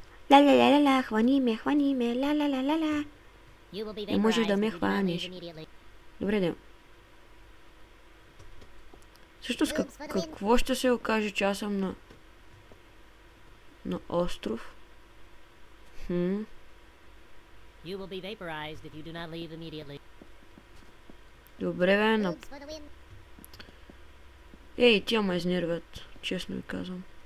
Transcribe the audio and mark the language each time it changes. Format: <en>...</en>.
<bg>Ля-ля-ля-ля-ля, хвани ме, ля-ля-ля-ля-ля. Не можеш да ме хваниш. Добре, де. Също с какво ще се окаже, че аз съм на... на остров?</bg> <en>You will be vaporized if you do not leave immediately.</en> <bg>Добре, бе, на... Ей, тя ме изнервят, честно ви казвам.</bg>